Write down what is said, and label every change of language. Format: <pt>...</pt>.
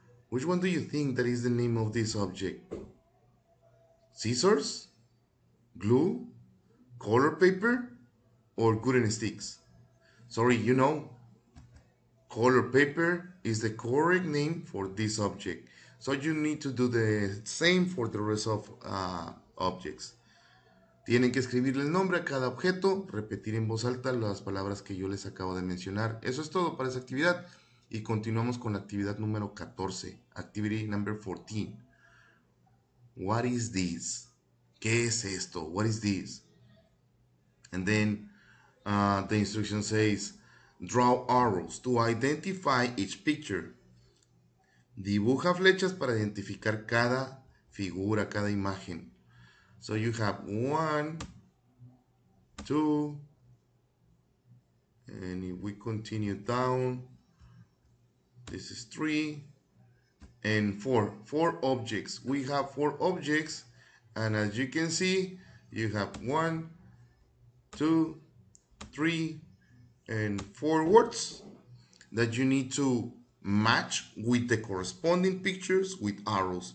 <en>Which one do you think that is the name of this object? Scissors, glue, color paper, or gluten sticks? Sorry, you know, color paper is the correct name for this object. So you need to do the same for the rest of objects.</en> <es>Tienen que escribirle el nombre a cada objeto, repetir en voz alta las palabras que yo les acabo de mencionar. Eso es todo para esa actividad. Y continuamos con la actividad número 14,</es> <en>activity number 14. What is this?</en> <es>¿Qué es esto?</es> <en>What is this? And then the instruction says, draw arrows to identify each picture.</en> <es>Dibuja flechas para identificar cada figura, cada imagen.</es> <en>So you have 1, 2, and if we continue down, this is 3 and 4. 4 objects. We have 4 objects, and as you can see, you have 1, 2, 3, and 4 words that you need to match with the corresponding pictures with arrows.</en>